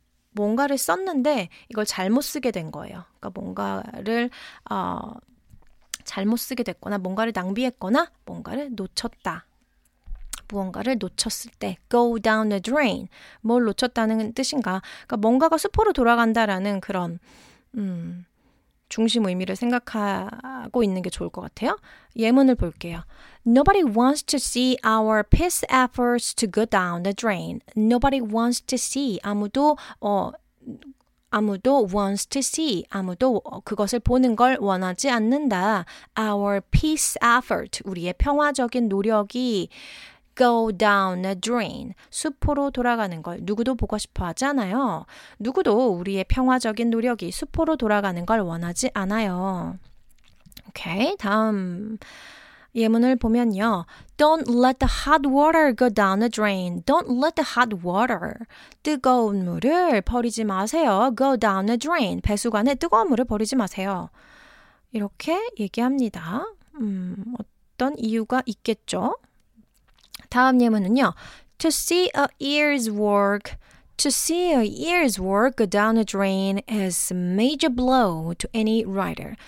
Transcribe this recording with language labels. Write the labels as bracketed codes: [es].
[ko] 뭔가를 썼는데 이걸 잘못 쓰게 된 거예요. 그러니까 뭔가를 잘못 쓰게 됐거나 뭔가를 낭비했거나 뭔가를 놓쳤다. 무언가를 놓쳤을 때 [en] go down the drain. [ko] 뭘 놓쳤다는 뜻인가? 그러니까 뭔가가 수포로 돌아간다라는 그런 중심 의미를 생각하고 있는 게 좋을 것 같아요. 예문을 볼게요. [en] Nobody wants to see our peace efforts to go down the drain. Nobody wants to see. [ko] 아무도 아무도 [en] wants to see. [ko] 아무도 그것을 보는 걸 원하지 않는다. [en] Our peace effort. [ko] 우리의 평화적인 노력이 [en] go down a drain. [ko] 수포로 돌아가는 걸 누구도 보고 싶어 하지 않아요. 누구도 우리의 평화적인 노력이 수포로 돌아가는 걸 원하지 않아요. 오케이, 다음 예문을 보면요. [en] Don't let the hot water go down the drain. Don't let the hot water. [ko] 뜨거운 물을 버리지 마세요. [en] Go down the drain. [ko] 배수관에 뜨거운 물을 버리지 마세요. 이렇게 얘기합니다. 어떤 이유가 있겠죠? 다음 예문은요. [en] To see a year's work. To see a year's work go down a drain is a major blow to any writer.